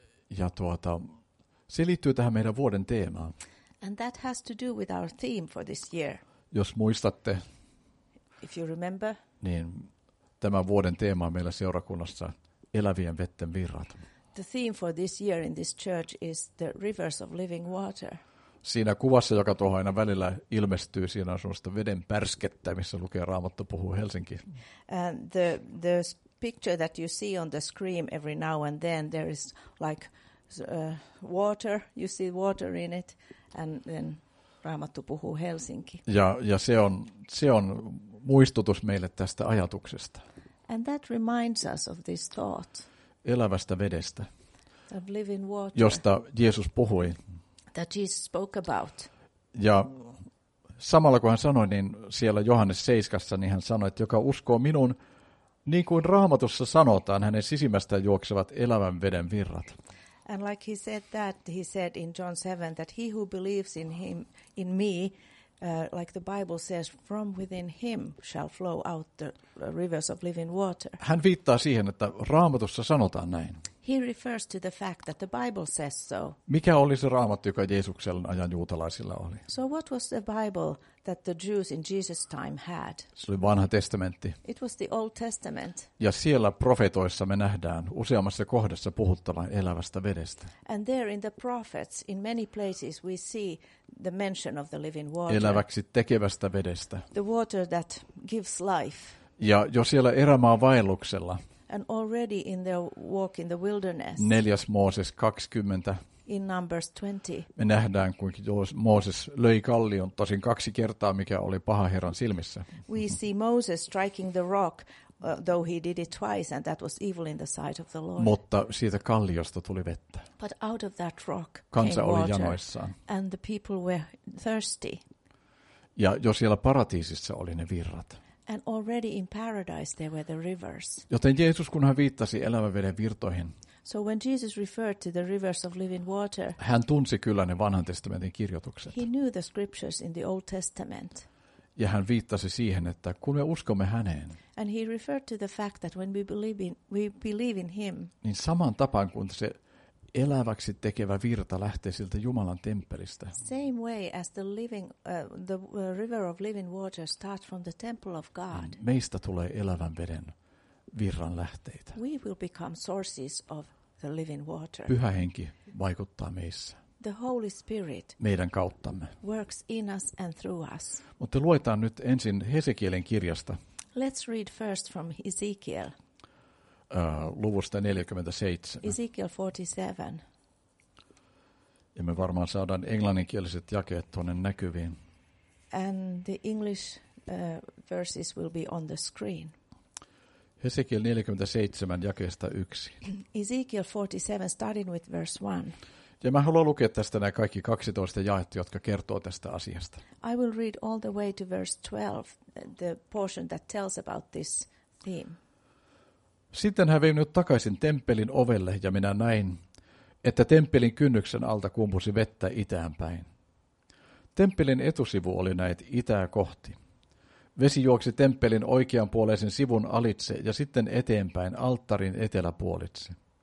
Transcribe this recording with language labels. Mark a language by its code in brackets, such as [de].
[fi] Ja tuota, se liittyy tähän meidän vuoden teemaan. [en] And that has to do with our theme for this year. [fi] Jos muistatte, [en] if you remember, [fi] niin tämän vuoden teema on meillä seurakunnassa elävien vetten virrat. [en] The theme for this year in this church is the rivers of living water. [fi] Siinä kuvassa, joka tuohon aina välillä ilmestyy, siinä on sellaista veden pärskettä, missä lukee Raamattu puhuu Helsinki. [en] And the picture that you see on the screen every now and then, there is like water, you see water in it, and then Raamattu puhuu Helsinki. [fi] Ja se on muistutus meille tästä ajatuksesta. [en] And that reminds us of this thought. [fi] Elävästä vedestä, [en] of living water, [fi] josta Jeesus puhui. [en] That Jesus spoke about. [fi] Ja samalla kun hän sanoi, niin siellä Johannes 7, niin hän sanoi, että joka uskoo minun, niin kuin Raamatussa sanotaan, hänen sisimmästään juoksevat elävän veden virrat. [en] And like he said that, he said in John 7, that he who believes in him, in me, like the Bible says, from within him shall flow out the rivers of living water. [fi] Hän viittaa siihen, että Raamatussa sanotaan näin. [en] He refers to the fact that the Bible says so. [fi] Mikä oli se Raamattu, joka Jeesuksen ajan juutalaisilla oli? [en] So what was the Bible that the Jews in Jesus' time had? [fi] Se oli Vanha testamentti. [en] It was the Old Testament. [fi] Ja siellä profeetoissa me nähdään useammassa kohdassa puhuttavan elävästä vedestä. [en] And there in the prophets, in many places, we see the mention of the living water. [fi] Eläväksi tekevästä vedestä. [en] The water that gives life. [fi] Ja jo siellä erämaa vaelluksella. [en] And already in their walk in the wilderness. [fi] 4. Mooses 20. [en] In Numbers 20. [fi] Me nähdään, kuinka Mooses löi kallion tosin kaksi kertaa, mikä oli paha Herran silmissä. [en] We see Moses striking the rock, though he did it twice, and that was evil in the sight of the Lord. [fi] Mutta siitä kalliosta tuli vettä. [en] But out of that rock [fi] kansa [en] came [fi] oli [en] water, [fi] janoissaan. [en] And the people were thirsty. [fi] Ja jo siellä paratiisissa oli ne virrat. [en] And already in paradise there were the rivers. [fi] Joten Jeesus, kun hän viittasi elävän veden virtoihin, [en] so when Jesus referred to the rivers of living water, [fi] hän tunsi kyllä ne Vanhan testamentin kirjoitukset. [en] He knew the scriptures in the Old Testament. [fi] Ja hän viittasi siihen, että kun me uskomme häneen, [en] and he referred to the fact that when we believe in him, [fi] niin saman tapaan kuin se eläväksi tekevä virta lähtee siltä Jumalan temppelistä. [en] Same way as the living the river of living water starts from the temple of God. [fi] Meistä tulee elävän veden virran lähteitä. [en] We will become sources of the living water. [fi] Pyhä Henki vaikuttaa meissä. [en] The Holy Spirit [fi] meidän kauttamme [en] works in us and through us. [fi] Mutta luetaan nyt ensin Hesekielin kirjasta. [en] Let's read first from Ezekiel. [fi] Luvusta 47. [en] Ezekiel 47. [fi] Ja me varmaan saadaan englanninkieliset jakeet tuonne näkyviin. [en] And the English verses will be on the screen. [fi] Hesekiel 47, jakeesta 1. [en] Ezekiel 47, starting with verse 1. [fi] Ja mä haluan lukea tästä nämä kaikki 12 jaetta, jotka kertoo tästä asiasta. [en] I will read all the way to verse 12, the portion that tells about this theme. [fi] Sitten hän vei minut takaisin temppelin ovelle, ja minä näin, että temppelin kynnyksen alta kumpusi vettä itäänpäin. Temppelin etusivu oli näet itää kohti. Vesi juoksi temppelin oikeanpuoleisen sivun alitse, ja sitten eteenpäin alttarin eteläpuolitse.